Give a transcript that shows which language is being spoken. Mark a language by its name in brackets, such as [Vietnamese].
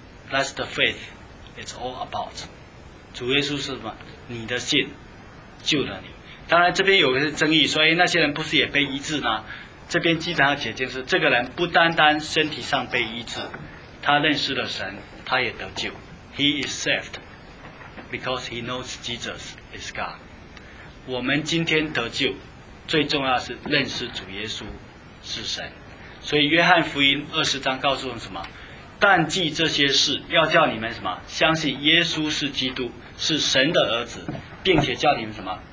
[English] That's the faith it's all about. [Chinese] 主耶稣是什么？你的信救了你。当然这边有个争议，所以那些人不是也被医治吗？这边基本上解经是，这个人不单单身体上被医治，他认识了神，他也得救。 [English] He is saved because he knows Jesus is God. [Chinese] 我们今天得救最重要是认识主耶稣是神。所以约翰福音二十章告诉我们什么？但记这些事要叫你们什么？相信耶稣是基督，是神的儿子，并且叫你们什么？